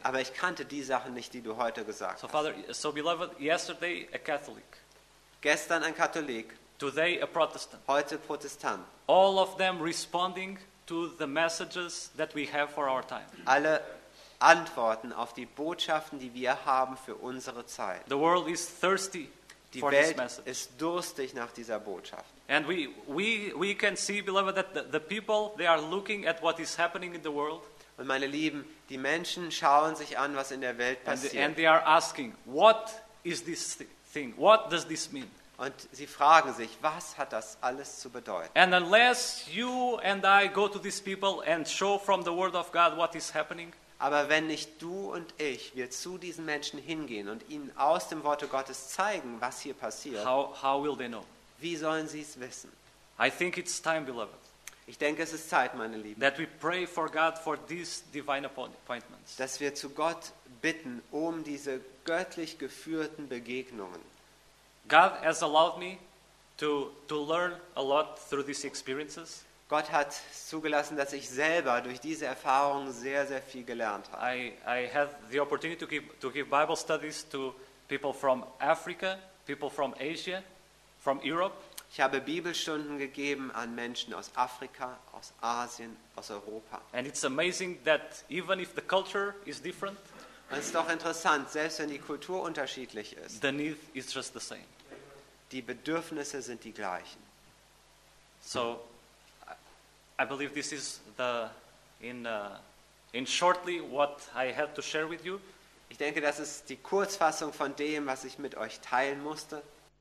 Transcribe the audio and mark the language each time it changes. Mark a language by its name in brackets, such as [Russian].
[German] Aber ich kannte die Sachen nicht, die du heute gesagt hast. [English] So Father, so beloved, yesterday a Catholic. [German] Gestern ein Katholik. [English] Today a Protestant. [German] Heute Protestant. [English] All of them responding to the messages that we have for our time. [German] Alle Antworten auf die Botschaften, die wir haben für unsere Zeit. [English] The world is thirsty [German] die [English] for [German] Welt [English] this message. [German] Ist durstig nach dieser Botschaft. [English] And we can see, beloved, that the people, they are looking at what is happening in the world. [German] Und meine Lieben, die Menschen schauen sich an, was in der Welt passiert. [English] And they are asking, what is this thing? What does this mean? [German] Und sie fragen sich, was hat das alles zu bedeuten? [English] And unless you and I go to these people and show from the word of God what is happening, [German] aber wenn nicht du und ich wir zu diesen Menschen hingehen und ihnen aus dem Worte Gottes zeigen, was hier passiert, [English] how will they know? [German] Wie sollen sie es wissen? [English] I think it's time, beloved. [German] Ich denke, es ist Zeit, meine Lieben, [English] that we pray for God for these divine appointments. [German] Dass wir zu Gott bitten um diese göttlich geführten Begegnungen. [English] God has allowed me to learn a lot through these experiences. [German] Gott hat zugelassen, dass ich selber durch diese Erfahrungen sehr sehr viel gelernt habe. [English] I had the opportunity to give Bible studies to people from Africa, people from Asia, from Europe. [German] Ich habe Bibelstunden gegeben an Menschen aus Afrika, aus Asien, aus Europa. [English] And it's amazing that even if the culture is different, [German] und es ist doch interessant, selbst wenn die Kultur unterschiedlich ist, [English] the need is just the same. [German] Die Bedürfnisse sind die gleichen. [English] So, I believe this is in shortly what I have to share with you. [German] Ich denke, das ist die Kurzfassung von dem, was ich mit euch teilen musste.